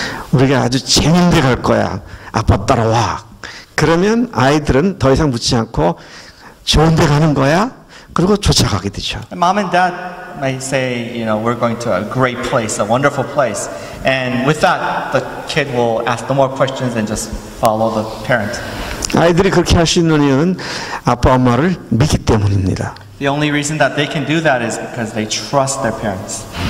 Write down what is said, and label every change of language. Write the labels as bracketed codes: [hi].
[ko] 우리가 아주 재밌는 데 갈 거야. 아빠 따라와. 그러면 아이들은 더 이상 묻지 않고 좋은 데 가는 거야. 그리고 쫓아가게 되죠. [en] Mom and dad might say, you know, we're going to a great place, a wonderful place. And with that, the kid will ask no more questions and just follow the parent. [ko] 아이들이 그렇게 할 수 있는 이유는 아빠 엄마를 믿기 때문입니다. [en] The only reason that they can do that is because they trust their parents.